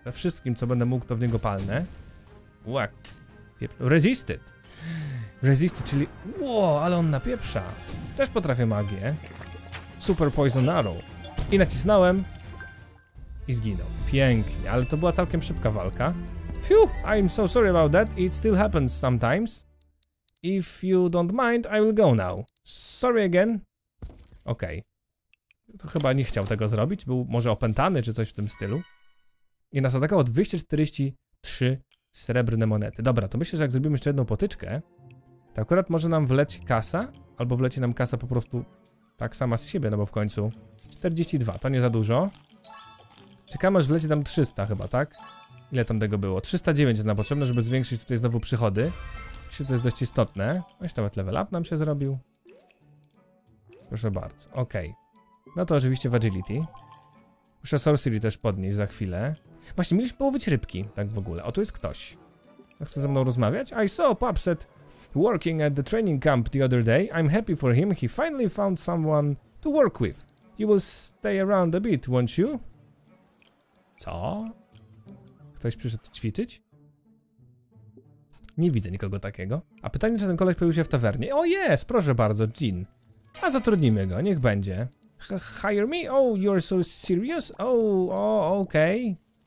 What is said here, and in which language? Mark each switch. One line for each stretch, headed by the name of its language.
Polish: We wszystkim, co będę mógł, to w niego palnę. Łak. Resisted. Resisted, czyli... Ło, ale on napieprza. Też potrafię magię. Super Poison Arrow. I nacisnąłem. I zginął. Pięknie, ale to była całkiem szybka walka.
English: Phew, I'm so sorry about that. It still happens sometimes. If you don't mind, I will go now. Sorry again. Okej. Okay.
Polish: To chyba nie chciał tego zrobić. Był może opętany, czy coś w tym stylu. I nas atakało 243 srebrne monety. Dobra, to myślę, że jak zrobimy jeszcze jedną potyczkę, to akurat może nam wleć kasa, albo wleci nam kasa po prostu tak sama z siebie, no bo w końcu 42, to nie za dużo. Czekamy, aż wleci nam 300 chyba, tak? Ile tam tego było? 309 jest nam potrzebne, żeby zwiększyć tutaj znowu przychody. Myślę, że to jest dość istotne. No i nawet level up nam się zrobił. Proszę bardzo, okej. Okay. No to oczywiście w agility. Muszę sorcery też podnieść za chwilę. Właśnie, mieliśmy połowić rybki, tak w ogóle. O, tu jest ktoś. Chce ze mną rozmawiać?
English: I saw Pupset working at the training camp the other day. I'm happy for him. He finally found someone to work with. You will stay around a bit, won't you?
Polish: Co? Ktoś przyszedł ćwiczyć? Nie widzę nikogo takiego. A pytanie, czy ten koleś pojawił się w tawernie? O, jest! Proszę bardzo, Jean. A zatrudnimy go, niech będzie.
English: Hire me? Oh, you're so serious? Oh, okej. Okay.